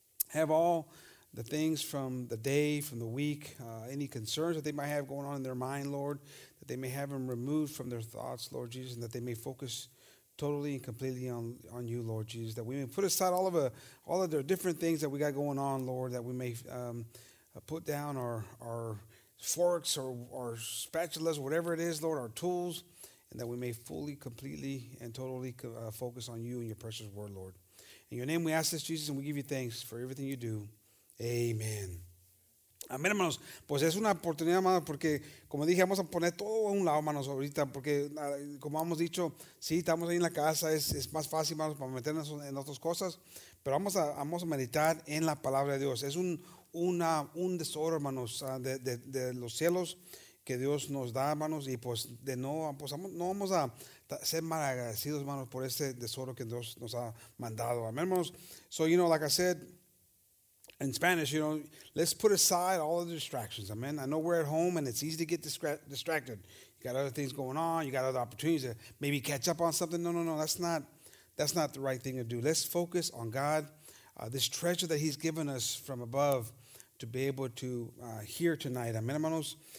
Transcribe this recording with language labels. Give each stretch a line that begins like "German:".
English: have all the things from the day, from the week, any concerns that they might have going on in their mind, Lord, that they may have them removed from their thoughts, Lord Jesus, and that they may focus totally and completely on you, Lord Jesus, that we may put aside all of the different things that we got going on, Lord, that we may put down our forks or our spatulas, whatever it is, Lord, our tools, and that we may fully, completely, and totally focus on you and your precious word, Lord. In your name we ask this, Jesus, and we give you thanks for everything you do.
Spanish: Amen. Amén, hermanos. Pues es una oportunidad, hermanos, porque, como dije, vamos a poner todo a un lado, hermanos, ahorita, porque, como hemos dicho, sí, estamos ahí en la casa, es más fácil, hermanos, para meternos en otras cosas, pero vamos a meditar en la palabra de Dios. Es un tesoro, hermanos, de los cielos, que Dios nos da, hermanos, y pues de no, pues no vamos a ser mal agradecidos, hermanos, por este tesoro que Dios nos ha mandado. Amén, hermanos.
English: So, you know, like I said in Spanish, you know, let's put aside all of the distractions. Amen. I know we're at home and it's easy to get distracted. You got other things going on. You got other opportunities to maybe catch up on something. No, no, no. That's not the right thing to do. Let's focus on God, this treasure that he's given us from above to be able to hear tonight.
Spanish: Amén, hermanos.